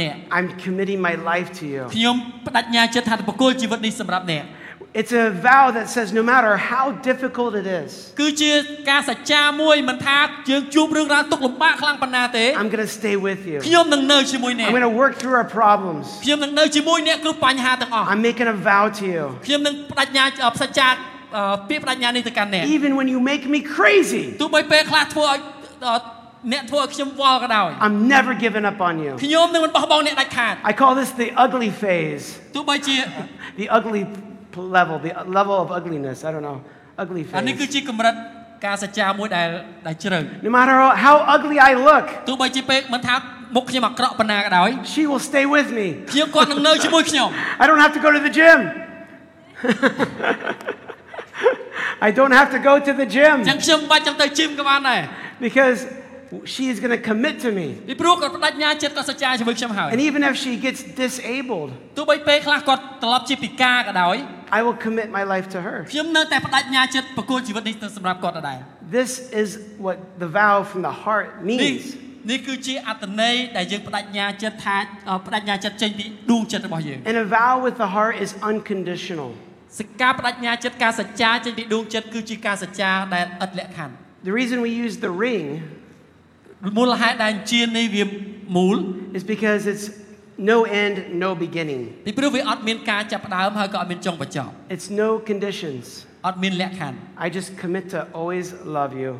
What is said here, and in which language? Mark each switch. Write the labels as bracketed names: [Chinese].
[English] I'm committing my life to you. It's a vow that says no matter how difficult it is. [Khmer] គឺជាការសច្ចាមួយមិនថាយើងជួបរឿងរ៉ាវទុកលំបាកខ្លាំងប៉ុណ្ណាទេ [English] I'm going to stay with you. [Khmer] ខ្ញុំនឹងនៅជាមួយអ្នក [English] I'm going to work through our problems. [Khmer] ខ្ញុំនឹងនៅជាមួយអ្នកគ្រប់បញ្ហាទាំងអស់ [English] I'm making a vow to you. [Khmer] ខ្ញុំនឹងបដិញ្ញាសច្ចាពាក្យបដិញ្ញានេះទៅកាន់អ្នក [English] Even when you make me crazy. [Khmer] ទោះបីពេលខ្លះធ្វើឲ្យអ្នកធ្វើឲ្យខ្ញុំវល់ក៏ដោយ [English] I'm never giving up on you. [Khmer] ខ្ញុំនឹងមិនបោះបង់អ្នកដាច់ខាត [English] I call this the ugly phase. [Khmer] ទោះបីជា [English] The uglythe level of ugliness I don't know ugly face [Khmer] អានេះគឺជាកម្រិតការសច្ចាមួយដែលជ្រៅ [English] No matter how ugly I look [Khmer] ទោះបីជាពេកមិនថាមុខខ្ញុំអាក្រក់ប៉ុណ្ណាក៏ដោយ [English] She will stay with me [Khmer] ខ្ញុំគាត់នឹងនៅជាមួយខ្ញុំ [English] I don't have to go to the gym I don't have to go to the gym [Khmer] ចឹងខ្ញុំបាច់ចាំទៅជីមក៏បានដែរ [English] Because she is going to commit to me. [Khmer] ពីព្រោះគាត់បដិញ្ញាចិត្តគាត់សច្ចាជាមួយខ្ញុំហើយ [English] And even if she gets disabled. [Khmer] ទោះបីពេលខ្លះគាត់ត្រឡប់ជាពិការក៏ដោយ [English] I will commit my life to her. [Khmer] ខ្ញុំនៅតែបដិញ្ញាចិត្តប្រគល់ជីវិតនេះទៅសម្រាប់គាត់ដដែល [English] This is what the vow from the heart means. [Khmer] នេះគឺជាអត្តន័យដែលយើងបដិញ្ញាចិត្តថាបដិញ្ញាចិត្តចេញពីដួងចិត្តរបស់យើង [English] And a vow with the heart is unconditional. [Khmer] សេចក្តីបដិញ្ញាចិត្តការសច្ចាចេញពីដួងចិត្តគឺជាការសច្ចាដែលឥតលក្ខខណ្ឌ [English] The reason we use the ring [Khmer] មូលហេតុដែលជានេះវាមូល [English] is because it's no end no beginning [Khmer] ពីព្រោះវាអត់មានការចាប់ផ្ដើមហើយក៏អត់មានចុងបញ្ចប់ [English] It's no conditions [Khmer] អត់មានលក្ខខណ្ឌ [English] I just commit to always love you